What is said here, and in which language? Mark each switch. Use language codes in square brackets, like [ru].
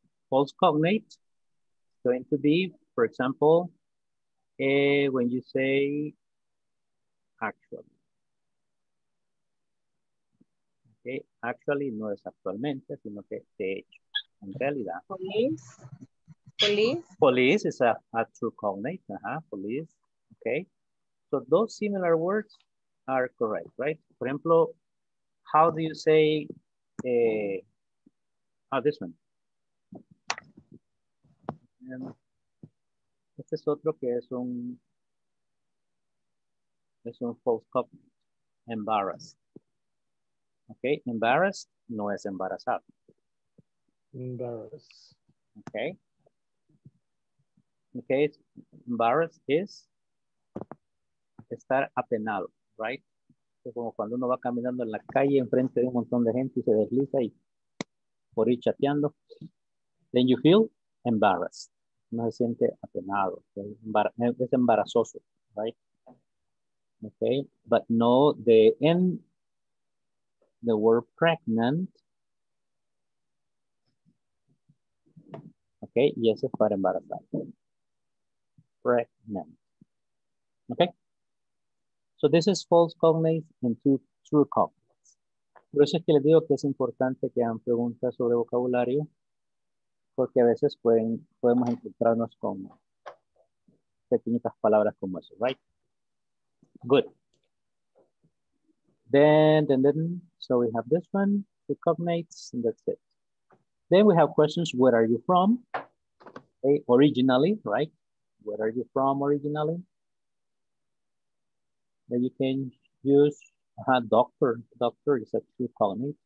[en] False cognate is going to be, for example, when you say actually. [es] Okay, actually no es actualmente, sino que de hecho, en realidad. [en] Police is a true cognate, uh-huh. Police, okay. So those similar words are correct, right? For example, how do you say this one? [es] Este es otro que es un [en] false cognate. [es] Embarrassed. Okay, embarrassed no es embarazado. [en] Embarrassed. Okay. Okay, embarrassed is [es] estar apenado, [en] right? [es] Es como cuando uno va caminando en la calle enfrente de un montón de gente y se desliza y por ir chateando. [en] Then you feel embarrassed. [es] No se siente apenado, es embarazoso, right? [en] Okay, but no, the end, the word pregnant, okay, [es] y ese es para embarazar, [en] pregnant, okay? So this is false cognate and two true cognates. [es] Por eso es que les digo que es importante que hagan preguntas sobre vocabulario, porque a veces podemos encontrarnos con pequeñitas palabras como eso, right? [en] Good. Then, so we have this one, the cognates, and that's it. Then we have questions, where are you from? Okay, originally, right? Where are you from originally? Then you can use doctor. Doctor is a true cognate.